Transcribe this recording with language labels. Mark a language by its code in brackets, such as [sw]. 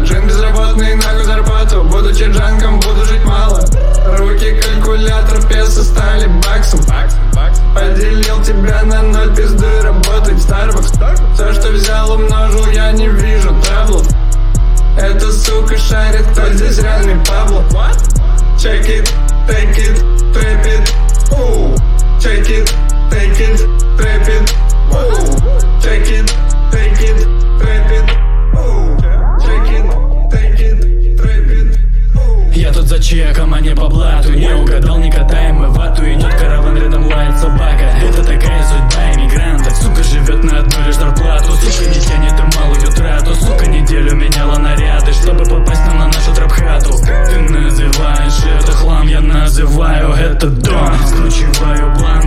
[ru] Джин безработный, нахуй зарплату. Будучи джанком, буду жить мало. Руки калькулятор, песо стали баксом. Поделил тебя на ноль, пизды работать. Starbucks, все, что взял, умножил, я не вижу траблу. Эта сука шарит, кто здесь реальный Пабло? [en] Check it, take it, trap it, ooh. Check it, take it, trap it, ooh. Check it, take it, trap it, ooh. Check it, take it, trap it, ooh. [ru] Я тут за чеком, а не по блату. Не угадал, не катаем мы вату. Идет караван, рядом лает собака. Это такая судьба иммигранта. Сука живет на одну лишь зарплату. Сука не тянет и малую трату. Сука неделю меняла наряды, чтобы попасть нам на нашу трап-хату. Ты называешь это хлам, я называю это дом. Скручиваю блок.